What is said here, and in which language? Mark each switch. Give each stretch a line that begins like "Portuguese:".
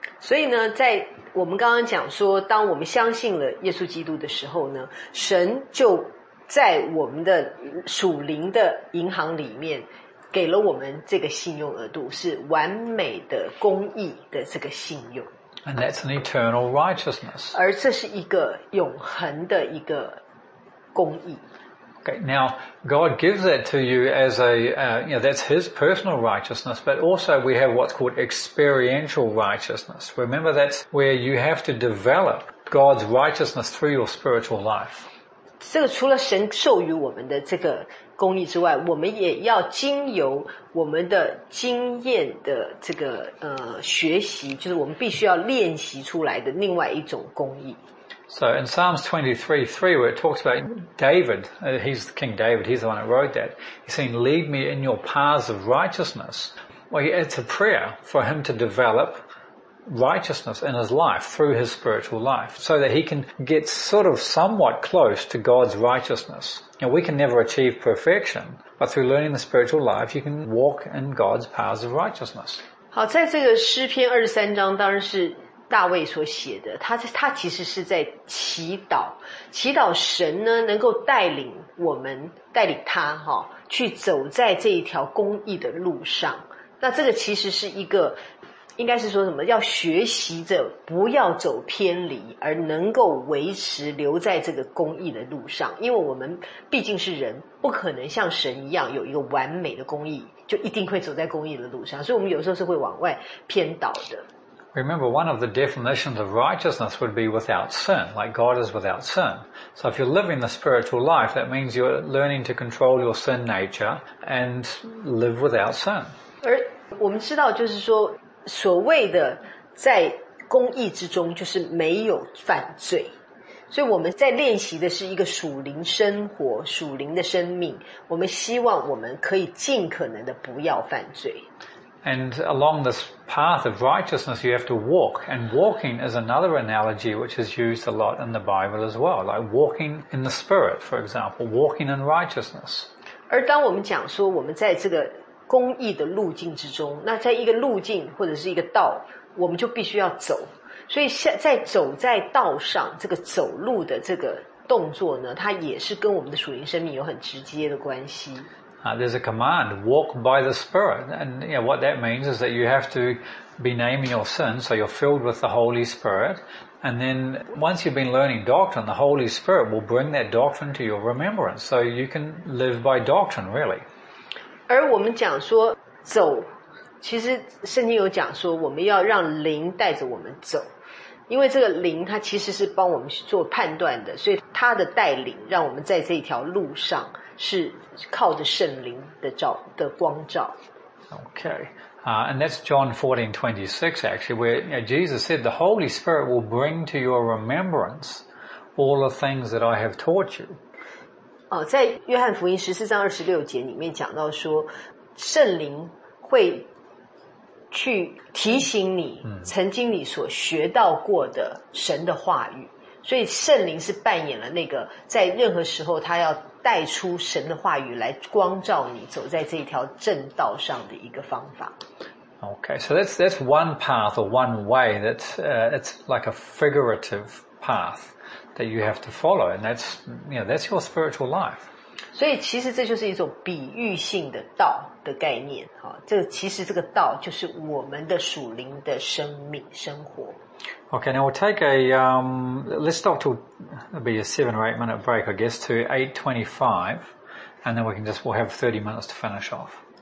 Chinese: 所以呢，在我们刚刚讲说，当我们相信了耶稣基督的时候呢，神就在我们的属灵的银行里面给了我们这个信用额度，是完美的公义的这个信用。
English: And that's an eternal righteousness.
Chinese: 而这是一个永恒的一个公义。
English: Okay, now, God gives that to you as a, that's His personal righteousness, but also we have what's called experiential righteousness. Remember, that's where you have to develop God's righteousness through your spiritual life.
Chinese: 这个除了神授予我们的这个公义之外，我们也要经由我们的经验的这个学习，就是我们必须要练习出来的另外一种公义。
English: So in Psalms 23:3, where it talks about David, he's King David, he's the one who wrote that. He's saying, lead me in your paths of righteousness. Well, it's a prayer for him to develop righteousness in his life through his spiritual life so that he can get sort of somewhat close to God's righteousness. Now, we can never achieve perfection, but through learning the spiritual life, you can walk in God's paths of righteousness.
Chinese: 好，在这个诗篇23章当然是大卫所写的，他其实是在祈祷，祈祷神呢能够带领我们，带领他哈、哦，去走在这一条公义的路上。那这个其实是一个，应该是说什么？要学习着不要走偏离，而能够维持留在这个公义的路上。因为我们毕竟是人，不可能像神一样有一个完美的公义，就一定会走在公义的路上。所以我们有时候是会往外偏倒的。
English: Remember, one of the definitions of righteousness would be without sin, like God is without sin. So if you're living the spiritual life, that means you're learning to control your sin nature and live without sin.
Chinese: 而我们知道就是说，所谓的在公义之中就是没有犯罪。所以我们在练习的是一个属灵生活，属灵的生命。我们希望我们可以尽可能的不要犯罪。
English: And along this path of righteousness, you have to walk. And walking is another analogy which is used a lot in the Bible as well. Like walking in the Spirit, for example. Walking in righteousness.
Chinese: 而当我们讲说我们在这个公义的路径之中，那在一个路径或者是一个道，我们就必须要走。所以在走在道上，这个走路的这个动作呢，它也是跟我们的属灵生命有很直接的关系。
English: There's a command, walk by the Spirit. And you know, what that means is that you have to be naming your sin, so you're filled with the Holy Spirit. And then once you've been learning doctrine, the Holy Spirit will bring that doctrine to your remembrance. So you can live by doctrine, really.
Chinese: 而我们讲说走，其实圣经有讲说我们要让灵带着我们走。因为这个灵它其实是帮我们做判断的，所以它的带领让我们在这条路上是靠着圣灵的照的光照。
English: Okay, and that's John 14:26 actually, where Jesus said, "The Holy Spirit will bring to your remembrance all the things that I have taught you."
Chinese: 哦，在约翰福音14:26里面讲到说，圣灵会去提醒你曾经你所学到过的神的话语。所以圣灵是扮演了那个在任何时候他要带出神的话语来光照你走在这条正道上的一个方法。 Okay, so that's one path or one way that it's like a figurative path that you have to follow, and that's, you know, that's your spiritual life. 所以其实这就是一种比喻性的道的概念、哦、这其实这个道就是我们的属灵的生命生活。
English: Okay, now we'll take let's stop till, it'll be a 7 or 8 minute break, I guess, to 8:25, and then we'll have 30 minutes to finish off.